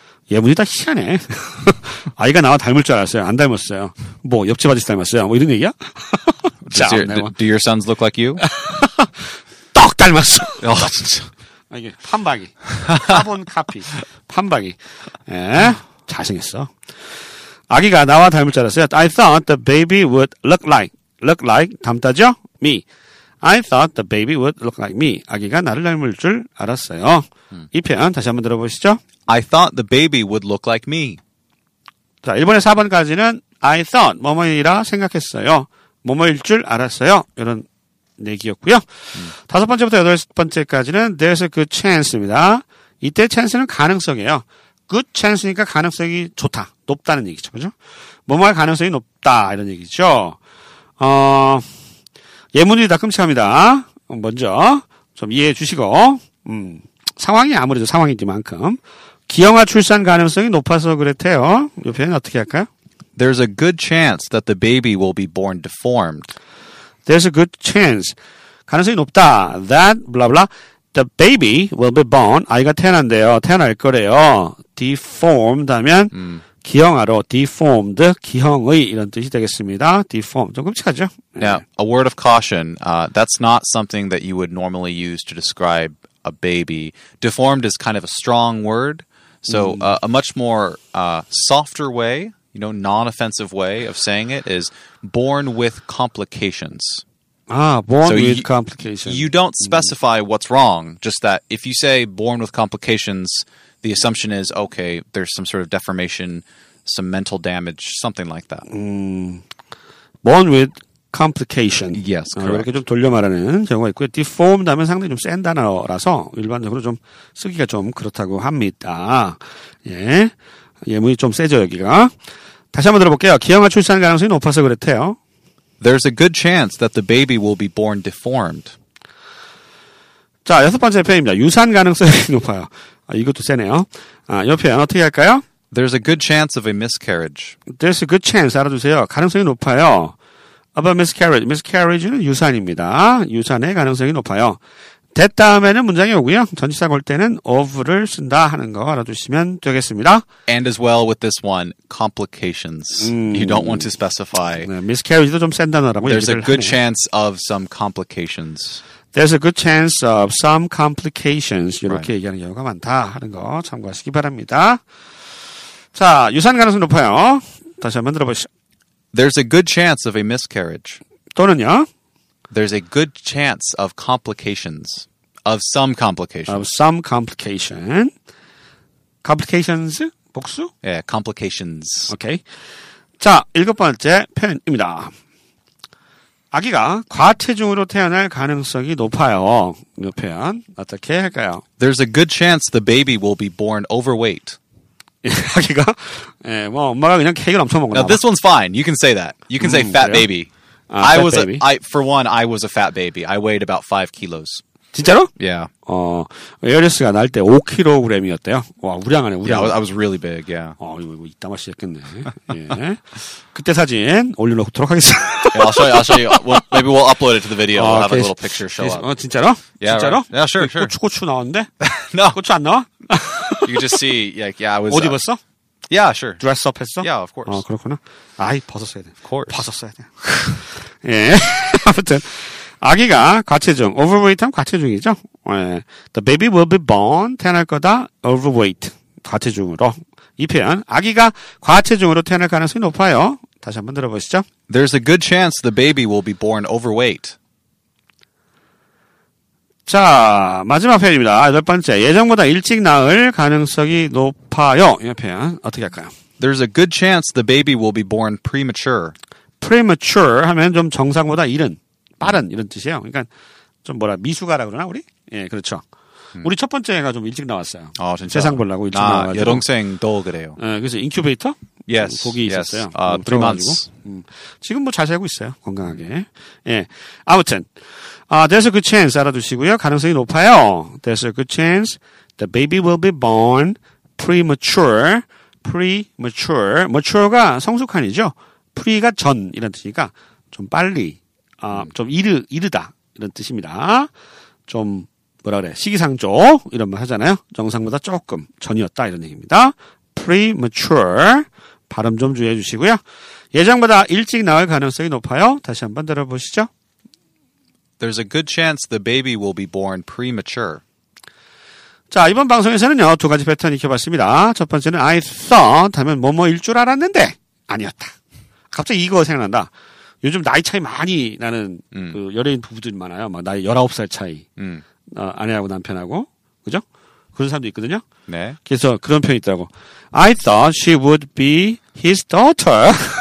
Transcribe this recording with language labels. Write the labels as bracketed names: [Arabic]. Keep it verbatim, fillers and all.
[Korean] 예문이 다 희한해. 아이가 나와 닮을 줄 알았어요. 안 닮았어요. 뭐 옆집 아저씨 닮았어요. 뭐 이런 얘기야? [English] 자, your, do your sons look like you? [Korean] 떡 닮았어. 어, 진짜. 아, 이게 판박이. 카본 카피. 판박이. 예. 잘생겼어. 아기가 나와 닮을 줄 알았어요. [English] I thought the baby would look like, look like, [Korean] 닮다죠? [English] me. I thought the baby would look like me. [Korean] 아기가 나를 닮을 줄 알았어요. 음. 이 표현 다시 한번 들어보시죠. [English] I thought the baby would look like me. [Korean] 자, 일 번에서 사 번까지는 [English] I thought, [Korean] 뭐뭐이라 생각했어요. 뭐뭐일 줄 알았어요. 이런 얘기였고요. 음. 다섯 번째부터 여덟 번째까지는 [English] there's a good chance [Korean] 입니다. 이때 chance는 가능성이에요. [English] good chance [Korean] 니까 가능성이 좋다. 높다는 얘기죠. 그죠? 뭐뭐 할 가능성이 높다. 이런 얘기죠. 어, 예문이 다 끔찍합니다. 먼저, 좀 이해해 주시고, 음, 상황이 아무래도 상황이기만큼. 기형아 출산 가능성이 높아서 그랬대요. 이 표현 어떻게 할까요? [English] There's a good chance that the baby will be born deformed. There's a good chance. [Korean] 가능성이 높다. [English] That, blah, blah. The baby will be born. [Korean] 아이가 태어난대요. 태어날 거래요. Deformed 하면 음. 기형아로 deformed, 기형의 이런 뜻이 되겠습니다. Deformed. 좀 끔찍하죠? [English] Now, a word of caution. Uh, that's not something that you would normally use to describe a baby. Deformed is kind of a strong word. So mm. uh, a much more uh, softer way, you know, non-offensive way of saying it is born with complications. Ah, born so with you, complications. You don't specify mm. what's wrong, just that if you say born with complications, the assumption is, okay, there's some sort of deformation, some mental damage, something like that. Mm. Born with complication. Yes, correct. [Korean] 어, 이렇게 좀 돌려 말하는 경우가 있고요. Deformed 하면 상당히 좀 센 단어라서 일반적으로 좀 쓰기가 좀 그렇다고 합니다. 예, 예문이 좀 세죠, 여기가. 다시 한번 들어볼게요. 기형아 출산 가능성이 높아서 그렇대요. [English] There's a good chance that the baby will be born deformed. [Korean] 자, 여섯 번째 표현입니다. 유산 가능성이 높아요. 아, 이것도 세네요. 아, 이 표현 어떻게 할까요? [English] There's a good chance of a miscarriage. There's a good chance. [Korean] 알아두세요. 가능성이 높아요. [English] Of a miscarriage. [Korean] Miscarriage는 유산입니다. 유산의 가능성이 높아요. that 다음에는 문장이 오고요. 전치사 걸 때는 of를 쓴다 하는 거 알아두시면 되겠습니다. [English] And as well with this one, complications. 음, you don't want to specify. [Korean] 네, miscarriage도 좀 센 단어라고 [English] There's [Korean] 얘기를 [English] a good [Korean] 하네요. [English] chance of some complications. There's a good chance of some complications. [Korean] 이렇게 right. 얘기하는 경우가 많다 하는 거 참고하시기 바랍니다. 자, 유산 가능성이 높아요. 다시 한번 들어보시죠. [English] There's a good chance of a miscarriage. [Korean] 또는요? [English] There's a good chance of complications. Of some complications. Of some complication. Complications? 복수? 예, yeah, complications. [Korean] 오케이. 자, 일곱 번째 표현입니다. 아기가 과체중으로 태어날 가능성이 높아요. 이 표현 어떻게 할까요? [English] There's a good chance the baby will be born overweight. [Korean] 아기가 예, 뭐 엄마가 그냥 케이크를 엄청 먹나 [English] Now this one's fine. You can say that. You can say 음, fat [Korean] 그래요? [English] baby. 아, I fat was baby. a, I for one I was a fat baby. I weighed about five kilos. [Korean] 진짜로? [English] Yeah. [Korean] 어, 에어리스가 날 때 오 킬로그램이었대요. 와, 우량하네, 우량. [English] Yeah, I was, I was really big, yeah. [Korean] 어, 이거, 이거 이따마 시작했네. 예. 그때 사진 올려놓도록 하겠습니다. [English] Yeah, I'll show you, I'll show you. We'll, maybe we'll upload it to the video. We'll have a little picture show up. [Korean] 어, 진짜로? [English] Yeah, [Korean] 진짜로? [English] Right. Yeah, sure, sure. [Korean] 고추, 고추 나왔는데? [English] No. [Korean] 고추 안 나와? [English] You just see, like, yeah, I was. [Korean] 옷 입었어? [English] Yeah, sure. Dress up [Korean] 했어? [English] Yeah, of course. [Korean] 어, 그렇구나. 아이, 벗었어야 돼. [English] Of course. [Korean] 벗었어야 돼. 예. 아무튼. 아기가 과체중, overweight 하면 과체중이죠. 예. [English] The baby will be born, [Korean] 태어날 거다, overweight, 과체중으로. 이 표현, 아기가 과체중으로 태어날 가능성이 높아요. 다시 한번 들어보시죠. [English] There's a good chance the baby will be born overweight. [Korean] 자, 마지막 표현입니다. 여덟 번째, 예정보다 일찍 낳을 가능성이 높아요. 이 표현, 어떻게 할까요? [English] There's a good chance the baby will be born premature. [Korean] premature 하면 좀 정상보다 이른. 빠른 이런 뜻이에요. 그러니까 좀 뭐라 미숙아라 그러나 우리? 예, 그렇죠. 음. 우리 첫 번째가 좀 일찍 나왔어요. 아, 진짜? 세상 보려고 일찍 아, 나와가지고. 여동생도 그래요. 예, 그래서 인큐베이터? [English] Yes. [Korean] 거기 있었어요. [English] Yes. Uh, three months. [Korean] 음, 지금 뭐 잘 살고 있어요. 건강하게. 예. 아무튼. 아, [English] there's a good chance [Korean] 알아두시고요. 가능성이 높아요. [English] There's a good chance the baby will be born premature. premature. [Korean] mature가 성숙한이죠. pre가 전 이런 뜻이니까 좀 빨리. 아, 좀 이르, 이르다. 이런 뜻입니다. 좀, 뭐라 그래. 시기상조. 이런 말 하잖아요. 정상보다 조금 전이었다. 이런 얘기입니다. premature. 발음 좀 주의해 주시고요. 예정보다 일찍 나올 가능성이 높아요. 다시 한번 들어보시죠. [English] There's a good chance the baby will be born premature. [Korean] 자, 이번 방송에서는요. 두 가지 패턴 익혀봤습니다. 첫 번째는 [English] I thought [Korean] 하면 뭐뭐일 줄 알았는데 아니었다. 갑자기 이거 생각난다. 요즘 나이 차이 많이 나는 음. 그 연예인 부부들이 많아요. 막 나이 열아홉 살 차이. 음. 어, 아내하고 남편하고. 그죠? 그런 사람도 있거든요. 네. 그래서 그런 표현이 있다고. [English] I thought she would be his daughter.